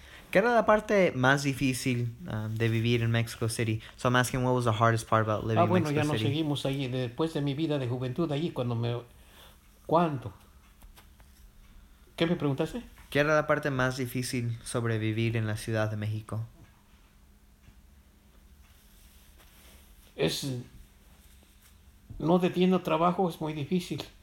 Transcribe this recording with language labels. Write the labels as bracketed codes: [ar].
[es] ¿Qué era la parte más difícil de vivir en Mexico City? [en] So I'm asking, what was the hardest part about living in Mexico City? [es] Ah, bueno, ya nos seguimos ahí. Después de mi vida de juventud allí, cuando me... ¿Cuánto? ¿Qué me preguntaste? ¿Qué era la parte más difícil sobrevivir en la Ciudad de México? Es... No teniendo trabajo es muy difícil.